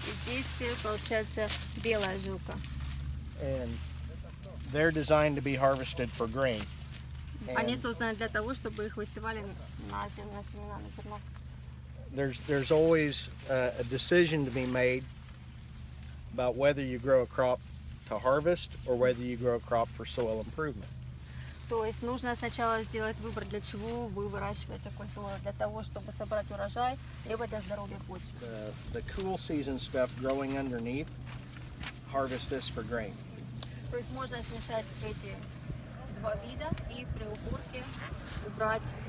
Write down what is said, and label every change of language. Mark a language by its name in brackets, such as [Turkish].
[Russian] И здесь получается белая жилка. [English] And they're designed to be harvested for grain. [Russian] Они созданы для того, чтобы их высевали на зерно, семена на зерно. [English] There's always a decision to be made about whether you grow a crop to harvest or whether you grow a crop for soil improvement. [Russian] То есть нужно сначала сделать выбор, для чего вы выращиваете культуру, для того, чтобы собрать урожай, либо для здоровья почвы. [English] The cool season stuff growing underneath, harvest this for grain. [Russian] То есть можно смешать эти два вида и при уборке убрать